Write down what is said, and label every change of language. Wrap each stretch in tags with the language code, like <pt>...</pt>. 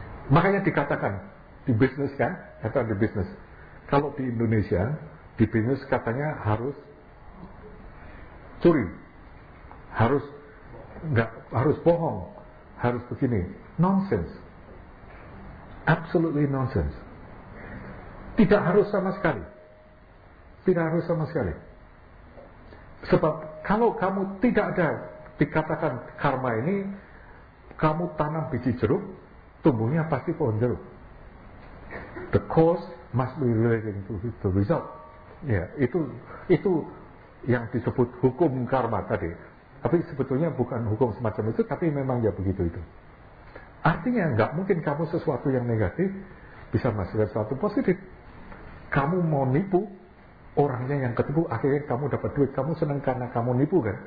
<id>Makanya dikatakan di bisnis kan, atau di bisnis. Kalau di Indonesia, di bisnis katanya harus curi, harus nggak harus bohong, harus begini,</id> <en>nonsense, absolutely nonsense,</en> <id>tidak harus sama sekali, tidak harus sama sekali. Sebab kalau kamu tidak ada dikatakan karma ini, kamu tanam biji jeruk, tumbuhnya pasti pohon jeruk.</id> <en>The cause must be relating to the result.</en> <id>Ya, itu yang disebut hukum karma tadi. Tapi sebetulnya bukan hukum semacam itu, tapi memang ya begitu itu. Artinya enggak mungkin kamu sesuatu yang negatif bisa menghasilkan sesuatu positif. Kamu mau nipu orangnya yang ketipu, akhirnya kamu dapat duit, kamu senang karena kamu nipu kan?</id>